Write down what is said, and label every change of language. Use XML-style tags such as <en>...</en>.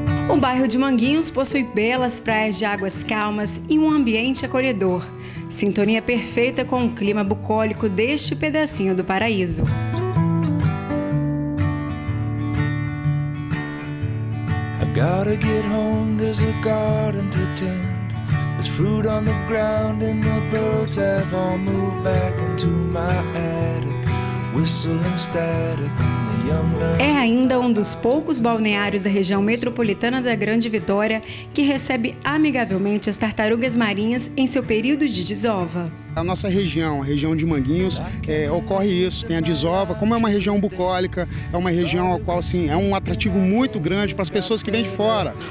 <pt>O bairro de Manguinhos possui belas praias de águas calmas e um ambiente acolhedor. Sintonia perfeita com o clima bucólico deste pedacinho do paraíso.</pt> <en>I gotta get home, there's a garden to tend. There's fruit on the ground and the birds have all moved back into my attic. Whistle and static.</en> <pt>É ainda um dos poucos balneários da região metropolitana da Grande Vitória que recebe amigavelmente as tartarugas marinhas em seu período de desova. A nossa região, a região de Manguinhos, ocorre isso, tem a desova. Como é uma região bucólica, é uma região ao qual assim, é um atrativo muito grande para as pessoas que vêm de fora.</pt>